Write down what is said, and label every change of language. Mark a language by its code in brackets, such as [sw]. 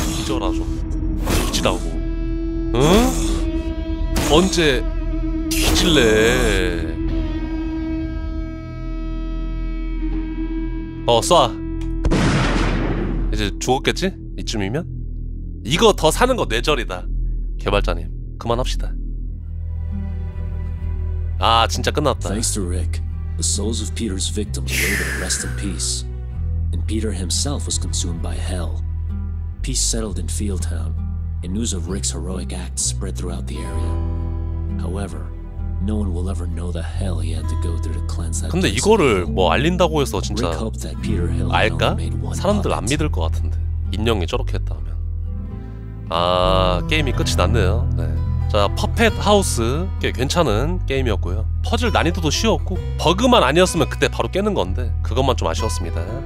[ko] 뒤져라 좀. 뒤지라고. 응? 언제 뒤질래? 어 쏴. 이제 죽었겠지? 이쯤이면? 이거 더 사는 거 뇌절이다. 개발자님 그만합시다. 아 진짜 끝났다. [en] Thanks to Rick, the souls of Peter's victims were able to rest in peace. And Peter himself was consumed by hell. Peace settled in Fieldtown, and news of Rick's heroic acts spread throughout the area. However, no one will ever know the hell he had to go through to cleanse that. [ko] 근데 이거를 뭐 알린다고 해서 진짜 알까? 사람들 안 믿을 것 같은데. 인형이 저렇게 했다면. 아, 게임이 끝이 났네요. 네. 자, 퍼펫 하우스. 꽤 괜찮은 게임이었고요. 퍼즐 난이도도 쉬웠고 버그만 아니었으면 그때 바로 깨는 건데 그것만 좀 아쉬웠습니다.